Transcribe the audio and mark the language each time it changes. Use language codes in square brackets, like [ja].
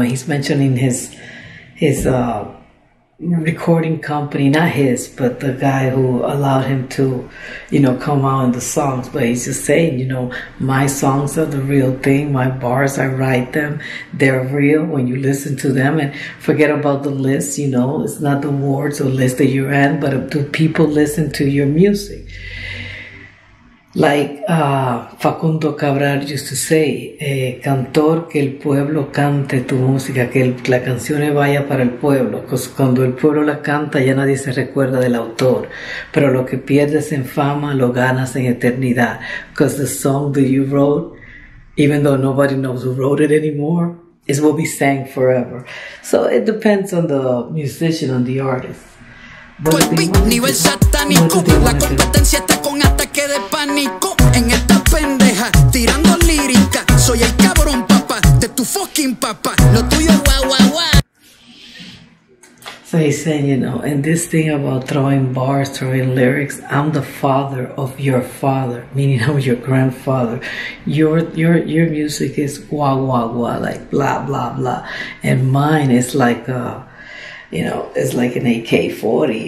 [en] He's mentioning his recording company, not his, but the guy who allowed him to, you know, come out in the songs. But he's just saying, you know, my songs are the real thing. My bars, I write them. They're real when you listen to them. And forget about the list, you know. It's not the awards or list that you're in, but do people listen to your music? Like Facundo Cabral used to say, [es] cantor, que el pueblo cante tu música, que la canción vaya para el pueblo. Pues cuando el pueblo la canta, ya nadie se recuerda del autor. Pero lo que pierdes en fama, lo ganas en eternidad. [en] Because the song that you wrote, even though nobody knows who wrote it anymore, it will be sang forever. So it depends on the musician, on the artist. [es] Nivel satánico, la competencia está con ataque de pánico. En esta pendeja, tirando lírica. Soy el cabrón papá de tu fucking papá. Lo tuyo es guau, guau, guau. [en] So he's saying, you know, and this thing about throwing bars, throwing lyrics, I'm the father of your father, meaning I'm your grandfather. Your music is guau, guau, guau, like blah, blah, blah. And mine is like a, you know, it's like an AK-40.